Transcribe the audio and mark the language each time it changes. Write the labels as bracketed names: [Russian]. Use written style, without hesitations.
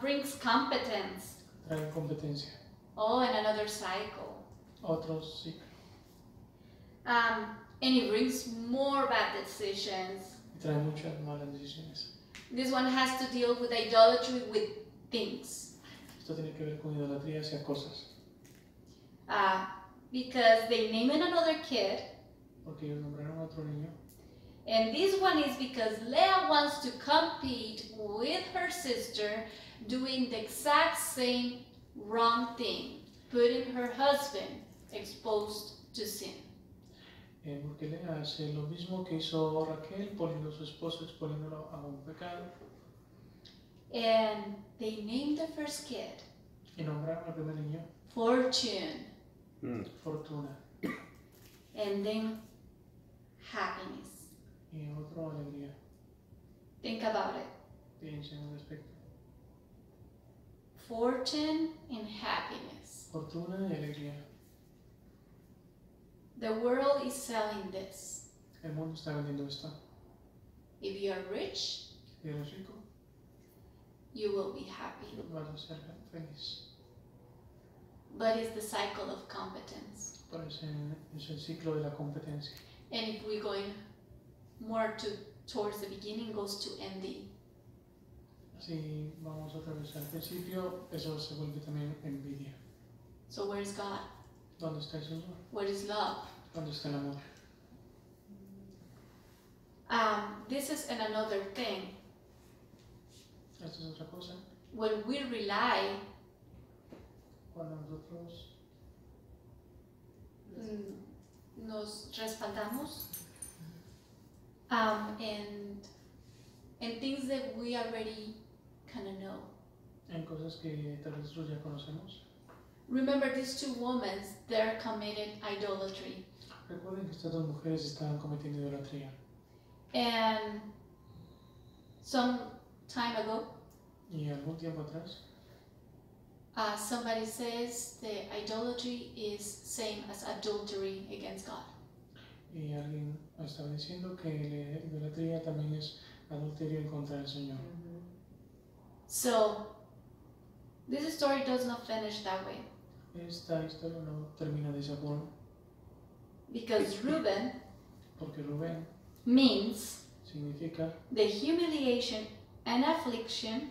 [English] Brings competence. [Spanish] Trae competencia. [English] Oh, and another cycle. [Spanish] Otro ciclo. [English] And it brings more bad decisions. [Spanish] Trae muchas malas decisiones. [English] This one has to deal with idolatry with things. [Spanish] Esto tiene que ver con idolatría hacia cosas. [English] Because they named another kid. [Spanish] Porque ellos nombraron otro niño. [English] And this one is because Leah wants to compete with her sister doing the exact same wrong thing, putting her husband exposed to sin. [Spanish] Porque Leah hace lo mismo que hizo Raquel, poniendo a su esposo, exponiéndolo a un pecado. [English] And they named the first kid. [Spanish] Y nombraron al primer niño. [English] Fortune. [Spanish] Fortuna. [English] And then happiness. [Spanish] Y otro alegría. [English] Think about it. [Spanish] Piensen al respecto. [English] Fortune and happiness. [Spanish] Fortuna y alegría. [English] The world is selling this. [Spanish] El mundo está vendiendo esto. [English] If you are rich, [Spanish] si eres rico, [English] you will be happy. [Spanish] Vas a ser feliz. [English] But it's the cycle of competence. [Spanish] Pero es el ciclo de la competencia. [English] And if we're going more to towards the beginning, goes to envy. [Spanish] Si vamos otra vez al principio, eso se vuelve también envidia. [English] So where is God? [Spanish] ¿Dónde está el Señor? [English] What is love? [Spanish] ¿Dónde está el amor? [English] This is another thing. [Spanish] Esto es otra cosa. [English] When we rely. [Spanish] Cuando nosotros. Nos respaldamos. [English] And things that we already kind of know. [Spanish] En cosas que tal vez nosotros ya conocemos. [English] Remember these two women, they're committed idolatry. [Spanish] Recuerden que estas dos mujeres estaban cometiendo idolatría. [English] And some time ago, [Spanish] y algún tiempo atrás, [English] somebody says that idolatry is same as adultery against God. [Spanish] Y alguien estaba diciendo que la idolatría también es adulterio en contra del Señor. Mm-hmm. [English] So, this story does not finish that way. [Spanish] Esta historia no termina de esa forma. [English] Because Reuben, [Spanish] porque Rubén, [English] means [Spanish] significa [English] the humiliation and affliction,